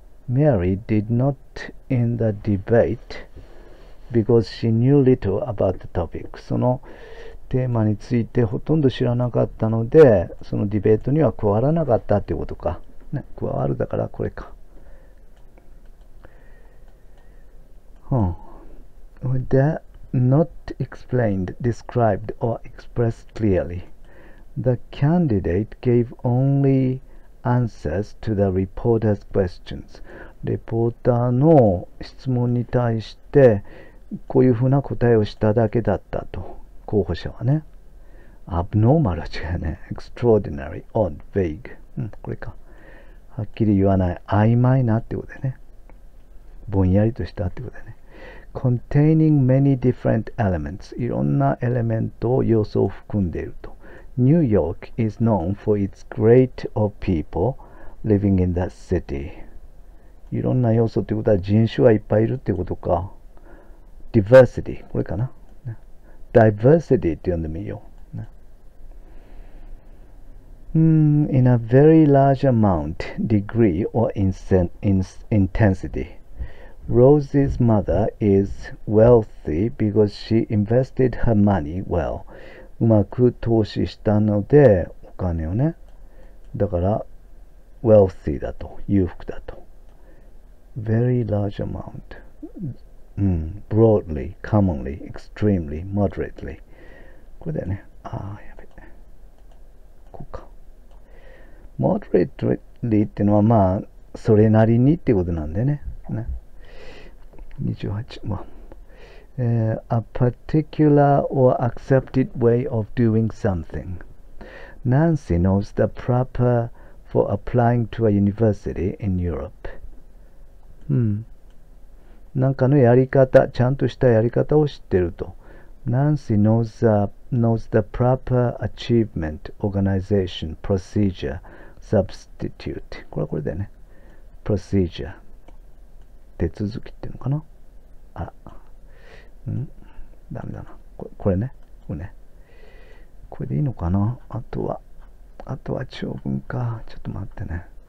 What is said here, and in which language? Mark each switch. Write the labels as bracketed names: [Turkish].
[English] Mary did not in the debate because she knew little about the topic. [Japanese] そのテーマについてほとんど知らなかったので、そのディベートには加わらなかったということか。ね、加わるだからこれか。 [English] That not explained, described, or expressed clearly. The candidate gave only answers to the reporter's questions. [Japanese] レポーターの質問に対して、こういうふうな答えをしただけだったと、候補者はね。アブノーマル、違うね。 [English] extraordinary, odd, vague。 [Japanese] これか。はっきり言わない。曖昧なってことでね。ぼんやりとしたってことでね。 [English] containing many different elements。 [Japanese] いろんなエレメントを、要素を含んでいると。 [English] New York is known for its great of people living in that city。 [Japanese] いろんな要素ってことは人種はいっぱいいるってことか。 diversity、これかな。diversity って呼んでみよう。 [English] In a very large amount, degree or intensity。 Rose's mother is wealthy because she invested her money well。 [Japanese] うまく投資したので、お金をね。だから、wealthy だと、裕福だと。 [English] Very large amount。 Broadly, commonly, extremely, moderately。 [Japanese] これだよね。ああ、やべ。こうか。 Moderately っていうのは、まあ、それなりにっていうことなんでね。ね。28番。 [English] A particular or accepted way of doing something. Nancy knows the proper for applying to a university in Europe. [Japanese] なんかのやり方、ちゃんとしたやり方を知ってると。 [English] Nancy knows the proper achievement, organization, procedure, substitute. [Japanese] これはこれだよね。procedure。手続きっていうのかな？あ。ダメだな。これね。これね。これでいいのかな？あとは長文か。ちょっと待ってね。